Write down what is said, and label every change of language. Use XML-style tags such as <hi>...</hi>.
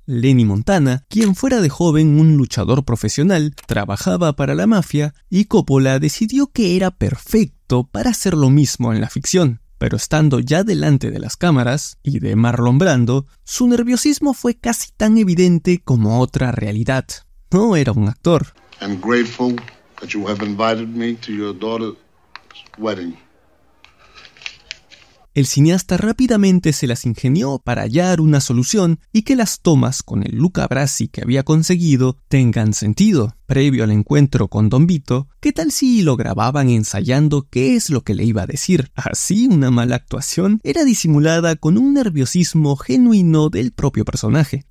<es>Lenny Montana, quien fuera de joven un luchador profesional, trabajaba para la mafia y Coppola decidió que era perfecto para hacer lo mismo en la ficción. Pero estando ya delante de las cámaras y de Marlon Brando, su nerviosismo fue casi tan evidente como otra realidad. No era un actor.</es> <en>I'm grateful that you have invited me to your daughter's wedding.</en> <es>El cineasta rápidamente se las ingenió para hallar una solución y que las tomas con el Luca Brasi que había conseguido tengan sentido. Previo al encuentro con Don Vito, ¿qué tal si lo grababan ensayando qué es lo que le iba a decir? Así, una mala actuación era disimulada con un nerviosismo genuino del propio personaje.</es>